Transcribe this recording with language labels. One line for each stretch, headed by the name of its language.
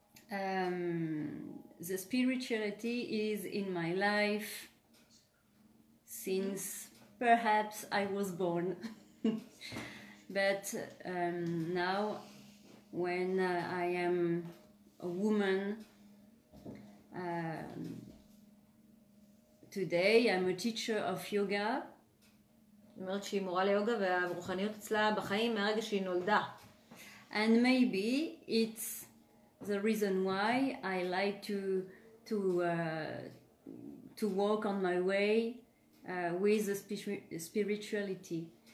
English: The spirituality is in my life since perhaps I was born. But now, when I am a woman, today I'm a teacher of yoga.
Hebrew: אומרת שהיא מורה ליוגה והרוחניות אצלה בחיים מהרגע שהיא נולדה.
English: And maybe it's the reason why I like to walk on my way with the spirituality.